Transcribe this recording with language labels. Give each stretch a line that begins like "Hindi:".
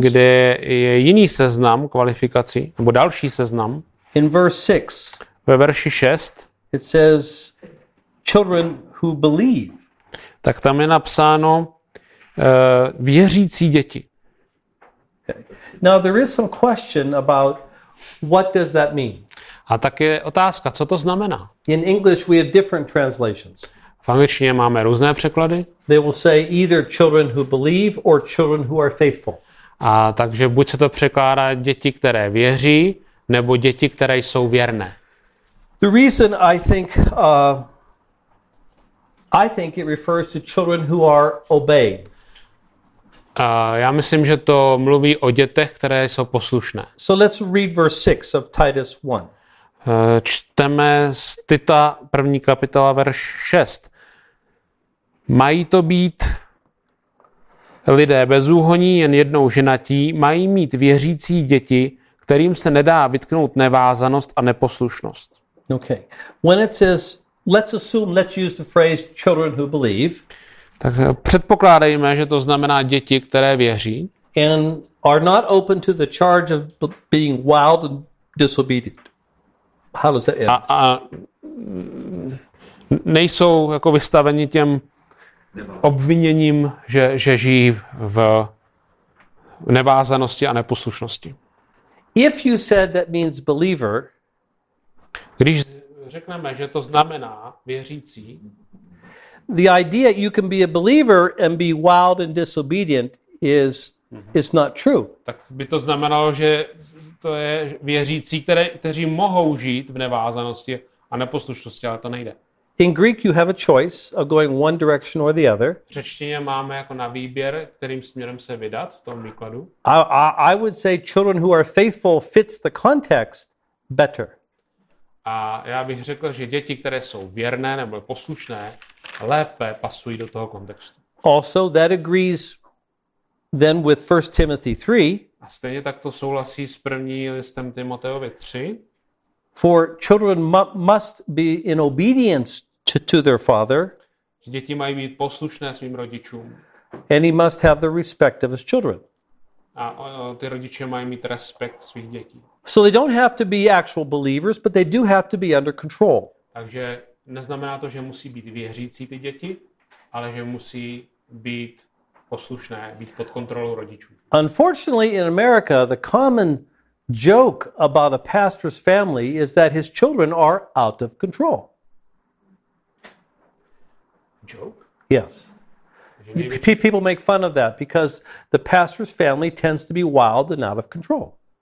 Czech: kde je jiný seznam kvalifikací, nebo další seznam,
English: in verse 6,
Czech: ve verši 6,
English: it says, children who believe.
Czech: Tak tam je napsáno věřící děti.
English: Okay. Now there is some question about what does that mean?
Czech: A tak je otázka, co to znamená?
English: In English we have different translations.
Czech: V angličtině máme různé překlady.
English: They will say either children who believe or children who are faithful.
Czech: A takže buď se to překládá děti, které věří, nebo děti, které jsou věrné.
English: The reason I think it refers to children who are obeying.
Czech: Já myslím, že to mluví o dětech, které jsou poslušné.
English: So let's read verse 6 of Titus 1.
Czech: Čteme z Tita 1. kapitola verš 6. Mají to být lidé bezúhoní, jen jednou ženatí, mají mít věřící děti, kterým se nedá vytknout nevázanost a neposlušnost.
English: Okay. When it says, let's assume, let's use the phrase children who believe.
Czech: Tak předpokládejme, že to znamená děti, které věří.
English: And are not open to the charge of being wild and disobedient. How does that end?
Czech: A nejsou jako vystaveni těm obviněním, že žijí v nevázanosti a neposlušnosti.
English: If you said that means believer,
Czech: když řekneme, že to znamená věřící,
English: the idea you can be a believer and be wild and disobedient is not true.
Czech: Tak by to znamenalo, že to je věřící, kteří mohou žít v nevázanosti a neposlušnosti, ale to nejde.
English: In Greek you have a choice of going one direction or the other.
Czech: V řečtině máme jako na výběr, kterým směrem se vydat v tom výkladu.
English: I would say children who are faithful fits the context better.
Czech: A já bych řekl, že děti, které jsou věrné nebo poslušné, lépe pasují do toho kontextu.
English: Also that agrees then with 1 Timothy 3.
Czech: A stejně tak to souhlasí s první listem Timoteovi 3.
English: For children must be in obedience to their father.
Czech: Děti mají být poslušné svým rodičům.
English: And he must have the respect of his children.
Czech: A ty rodiče mají mít respekt svých dětí.
English: So they don't have to be actual believers, but they do have to be under control.
Czech: Takže neznamená to, že musí být věřící ty děti, ale že musí být poslušné, být pod kontrolou rodičů.
English: Unfortunately, in America, the common joke about a pastor's family is that his children are out of control. Joke? Yes. People make fun of that because the pastor's family tends to be wild and out of control.